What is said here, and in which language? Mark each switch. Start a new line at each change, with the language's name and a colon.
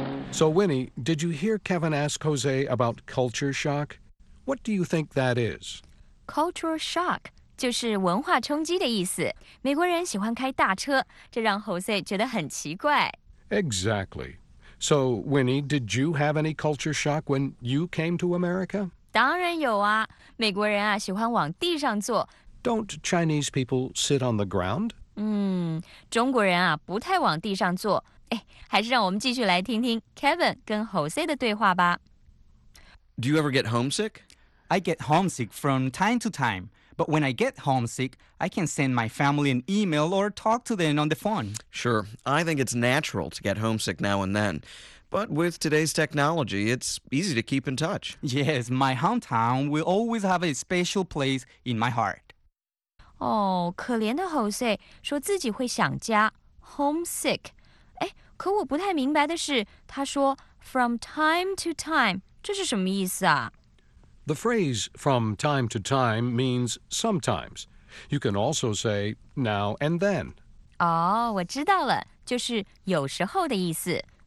English: So Winnie, did you hear Kevin ask Jose about culture shock? What do you think that is?
Chinese: Culture shock 就是文化冲击的意思。美国人喜欢开大车，这让 Jose 觉得很奇怪。
English: Exactly. So, Winnie, did you have any culture shock when you came to America?
Chinese: 当然有啊，美国人啊喜欢往地上坐。
English: Don't Chinese people sit on the ground?
Chinese: 中国人啊不太往地上坐。哎，还是让我们继续来听听 Kevin 跟 Jose 的对话吧。
English: Do you ever get homesick? I get homesick from time to time. But when I get homesick, I can send my family an email or talk to them on the phone. Sure, I think it's natural to get homesick now and then. But with today's technology, it's easy to keep in touch. Yes, my hometown will always have a special place in my heart.
Chinese: 哦，可怜的 Jose 说自己会想家 ，homesick。哎，可我不太明白的是，他说 from time to time， 这是什么意思啊
English: ？The phrase from time to time means sometimes. You can also say now and then.
Chinese: 哦，我知道了，就是有时候的意思。